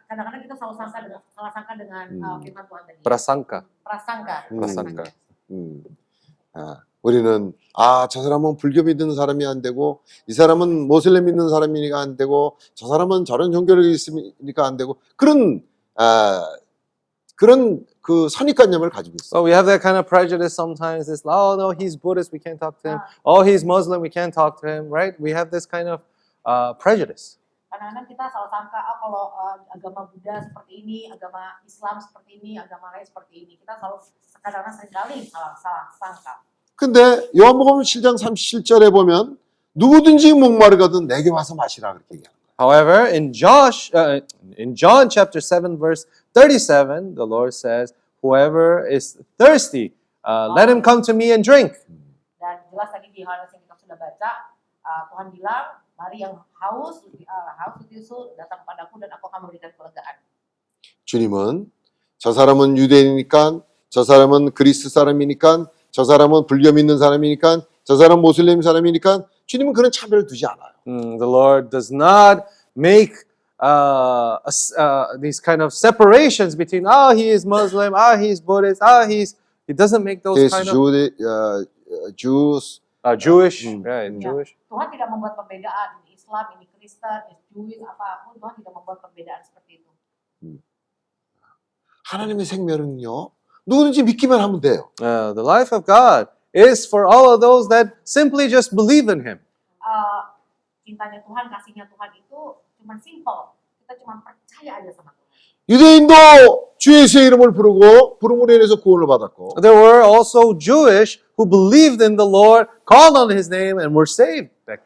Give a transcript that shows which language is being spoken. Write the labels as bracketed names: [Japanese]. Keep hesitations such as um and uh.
[Indonesian] Kadang-kadang kita selalu sangka dengan salah sangka dengan hmm. uh, firman Tuhan tadi. Prasangka. Prasangka. Hmm. Prasangka. Hmm. Uh. [Korean] 우리는 아저 사람은 불교 믿는 사람이 안 되고 이 사람은 모슬렘 믿는 사람이니까 안 되고 저 사람은 저런 종교를 있으니까 안 되고 그런 아 그런 그 선입관념을 가지고 있어. [English] So we have that kind of prejudice sometimes. It's oh no, he's Buddhist, we can't talk to him. Oh, he's Muslim, we can't talk to him, right? We have this kind of uh, prejudice. [Indonesian] kadang-kadang kita salah sangka oh kalau uh, agama Buddha seperti ini agama Islam seperti ini agama lain seperti ini kita selalu sekadarnya kadang seringkali salah, salah sangka. [Korean] 근데 요한복음 7장 37절에 보면 누구든지 목마르거든 내게 와서 마시라 그렇게 얘기합니다. [English] However, in Josh, uh, in John chapter 7 verse 37, the Lord says, "Whoever is thirsty, uh, let him come to me and drink." [Indonesian] dan jelas lagi kita sudah baca Tuhan bilang Mari yang haus, h a d i [Korean] 주님은 저 사람은 유대이니까저 사람은 그리스 사람이니까 저 사람은 불려 있는 사람이니까 저 사람은 모슬림 사람이니까 주님은 그런 차별을 두지 않아요. [English] m the Lord does not make uh, these kind of separations between oh he is Muslim, oh he is Buddhist, oh he s he doesn't make those kind of Jude, uh, j w h Jewish, yeah, in Jewish. Tuhan [Indonesian] tidak membuat perbedaan ini Islam, ini Kristen, ini Bumi, apa pun Tuhan tidak membuat perbedaan seperti itu. Hmm. [Korean] 생명은요, 누구든지 믿기만 하면 돼요. [English] Uh, the life of God is for all of those that simply just believe in Him. [Indonesian] Uh, cintanya Tuhan, kasihnya Tuhan itu cuma simple. Kita cuma percaya aja sama [Korean] 유대인도 주 예수의 이름을 부르고 부름으로 인해서 구원을 받았고. [English] There were also Jewish who believed in the Lord, called on His name, and were saved back